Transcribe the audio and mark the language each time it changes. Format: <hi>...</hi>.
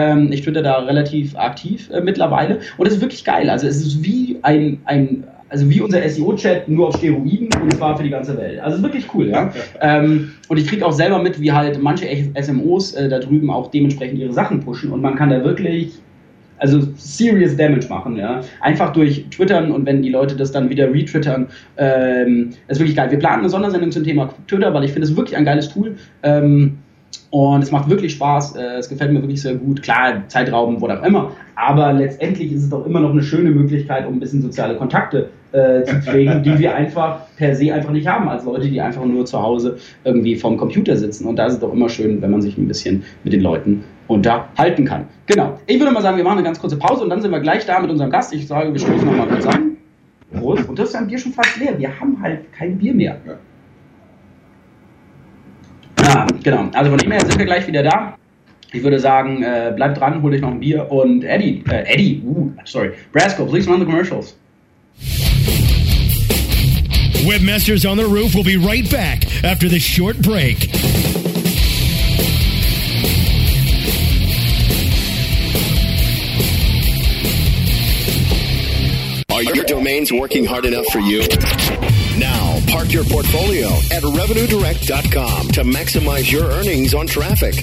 <de>Ich twitter da relativ aktiv mittlerweile. Und es ist wirklich geil. Also es ist wie wie unser SEO-Chat, nur auf Steroiden und zwar für die ganze Welt. Also wirklich cool, ja. Und ich kriege auch selber mit, wie halt manche SMOs da drüben auch dementsprechend ihre Sachen pushen. Und man kann da wirklich... also</de> <en>serious damage</en> <de>machen, ja. Einfach durch Twittern und wenn die Leute das dann wieder retwittern, ist wirklich geil. Wir planen eine Sondersendung zum Thema Twitter, weil ich finde es wirklich ein geiles Tool und es macht wirklich Spaß, es gefällt mir wirklich sehr gut. Klar, Zeitraum, wo auch immer, aber letztendlich ist es doch immer noch eine schöne Möglichkeit, um ein bisschen soziale Kontakte zu pflegen, die wir einfach per se einfach nicht haben, als Leute, die einfach nur zu Hause irgendwie vorm Computer sitzen und da ist es doch immer schön, wenn man sich ein bisschen mit den Leuten unterhalten kann. Genau. Ich würde mal sagen, wir machen eine ganz kurze Pause und dann sind wir gleich da mit unserem Gast. Ich sage, wir stoßen nochmal kurz an. Prost. Und das ist ein Bier schon fast leer. Wir haben halt kein Bier mehr. Ja. Ah, genau. Also von dem her sind wir gleich wieder da. Ich würde sagen, bleib dran, hol dich noch ein Bier und Brasco,</de> <en>please run the commercials. Webmasters on the Roof will be right back after this short break. Are your domains working hard enough for you? Now, park your portfolio at RevenueDirect.com to maximize your earnings on traffic.</en>